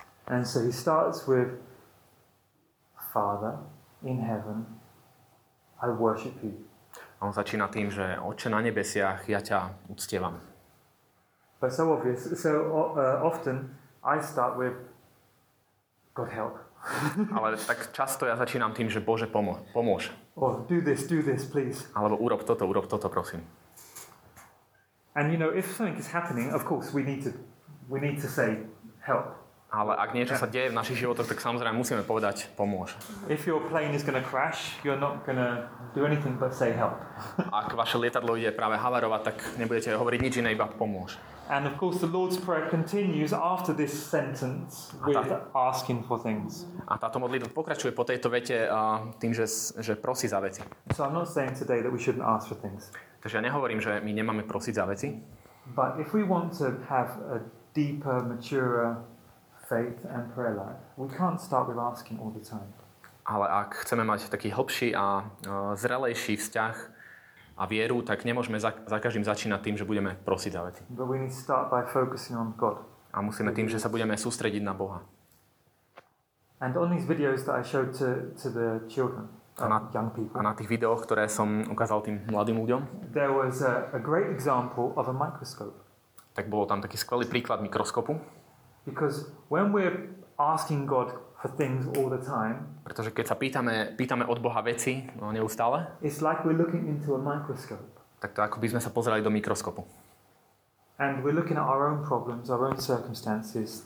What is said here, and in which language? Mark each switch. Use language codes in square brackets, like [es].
[en] And so he starts with Father in heaven, I worship you. [sk] A on začína tým, že Otče na nebesiach, ja ťa uctievam. [en] But so obvious, so often I start with God help. [sk] Ale tak často ja začínam tým, že Bože pomôž. [en] Or do this, please. [sk] Alebo urob toto, prosím. [en] And you know, if something is happening, of course we need to say help. [sk] Ale ak niečo sa deje v našich životoch, tak samozrejme musíme povedať pomôž. [en] If your plane is going to crash, you're not going to do anything but say help. [sk] Ak vaše lietadlo ide práve havarovať, tak nebudete hovoriť nič iné, iba pomôž. [en] And of course the Lord's Prayer continues after this sentence with asking for things. [sk] A táto modlitba pokračuje po tejto vete tým, že prosí za veci. [en] So I'm not saying today that we shouldn't ask for things. [sk] Takže ja nehovorím, že my nemáme prosiť za veci. [en] But if we want to have a deeper, maturer faith and prayer life, we can't start with asking all the time. [sk] Ale ak chceme mať taký hlbší a zrelejší vzťah a vieru, tak nemôžeme za každým začínať tým, že budeme prosiť za veci. [en] But we need to start by focusing on God. [sk] A musíme tým, že sa budeme sústrediť na Boha. [en] And on these videos that I showed to the children, young people. [sk] A na tých videoch, ktoré som ukázal tým mladým ľuďom. [en] There was a great example of a microscope. [sk] Tak bolo tam taký skvelý príklad mikroskopu. [en] Because when we're asking God for things all the time, [sk] pretože keď sa pýtame od Boha veci neustále, [en] it's like we're looking into a microscope. [sk] Tak to ako by sme sa pozerali do mikroskopu. [en] And we're looking at our own problems, our own circumstances.